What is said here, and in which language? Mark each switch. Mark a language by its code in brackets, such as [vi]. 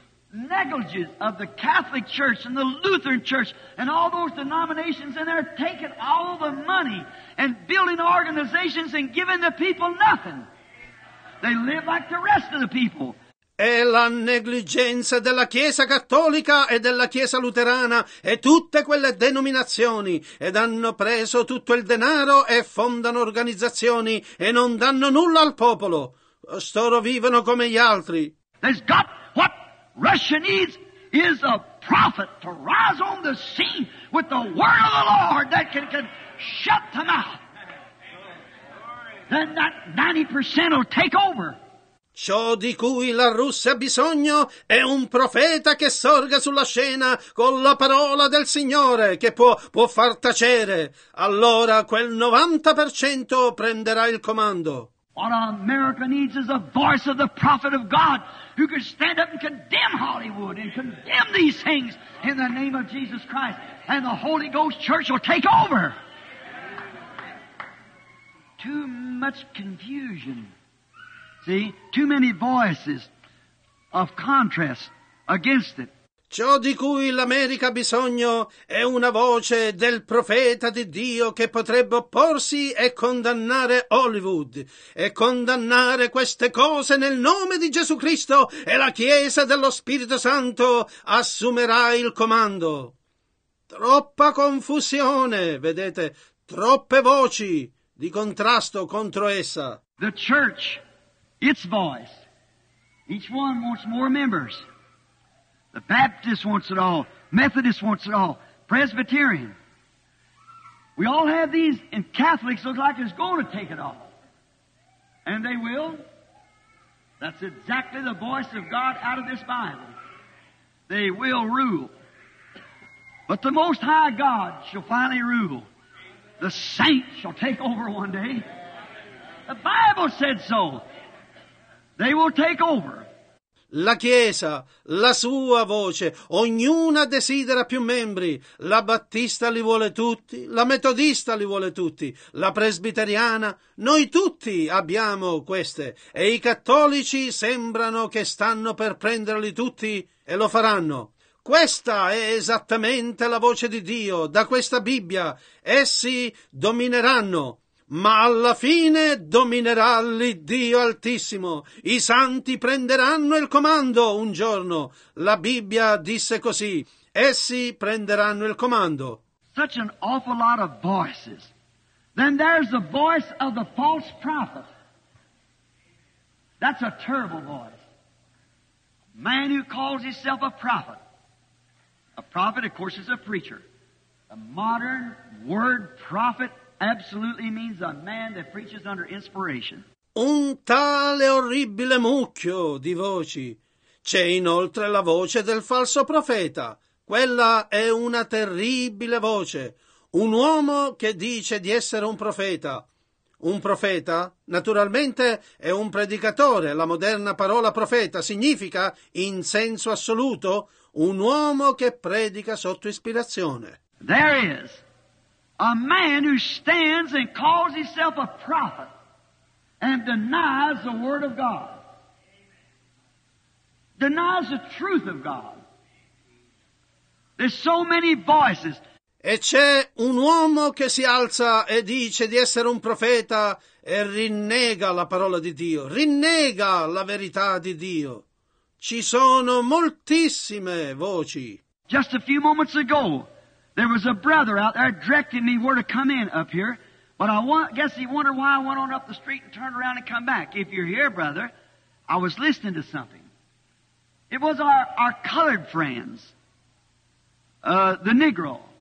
[en] Negligence of the Catholic Church and the Lutheran Church and all those denominations, and they're taking all the money and building organizations and giving the people nothing. They live like the rest of the people. [it] È la negligenza della Chiesa Cattolica e della Chiesa Luterana e tutte quelle denominazioni, ed hanno preso tutto il denaro e fondano organizzazioni e non danno nulla al popolo. Costoro vivono come gli altri. [en] There's got what Russia needs is a prophet to rise on the scene with the word of the Lord that can shut the mouth. Then that 90% will take over. [it] Ciò di cui la Russia ha bisogno è un profeta che sorga sulla scena con la parola del Signore che può far tacere. Allora quel 90% prenderà il comando. [en] What America needs is a voice of the prophet of God who can stand up and condemn Hollywood and condemn these things in the name of Jesus Christ, and the Holy Ghost Church will take over. Too much confusion. See? Too many voices of contrast against it. [it] Ciò di cui l'America ha bisogno è una voce del profeta di Dio che potrebbe opporsi e condannare Hollywood e condannare queste cose nel nome di Gesù Cristo, e la Chiesa dello Spirito Santo assumerà il comando. Troppa confusione, vedete, troppe voci di contrasto contro essa. [en] The church, its voice. Each one wants more members. The Baptist wants it all. Methodist wants it all. Presbyterian. We all have these, and Catholics look like it's going to take it all. And they will. That's exactly the voice of God out of this Bible. They will rule. But the Most High God shall finally rule. The saint shall take over one day. The Bible said so. They will take over. [it] La Chiesa, la sua voce, ognuna desidera più membri. La Battista li vuole tutti, la Metodista li vuole tutti, la Presbiteriana, noi tutti abbiamo queste. E i cattolici sembrano che stanno per prenderli tutti e lo faranno. Questa è esattamente la voce di Dio, da questa Bibbia. Essi domineranno. Ma alla fine dominerà l'Iddio Altissimo. I santi prenderanno il comando un giorno. La Bibbia disse così. Essi prenderanno il comando. [en] Such an awful lot of voices. Then there's the voice of the false prophet. That's a terrible voice. Man who calls himself a prophet. A prophet, of course, is a preacher. A modern word prophet. Absolutely means a man that preaches under inspiration. [it] Un tale orribile mucchio di voci. C'è inoltre la voce del falso profeta. Quella è una terribile voce. Un uomo che dice di essere un profeta. Un profeta, naturalmente, è un predicatore. La moderna parola profeta significa, in senso assoluto, un uomo che predica sotto ispirazione. [en] There he is. A man who stands and calls himself a prophet and denies the word of God. Denies the truth of God. There's so many voices. [it] E c'è un uomo che si alza e dice di essere un profeta e rinnega la parola di Dio, rinnega la verità di Dio. Ci sono moltissime voci. [en] Just a few moments ago, there was a brother out there directing me where to come in up here, but I guess he wondered why I went on up the street and turned around and come back. If you're here, brother, I was listening to something. It was our colored friends, the Negro.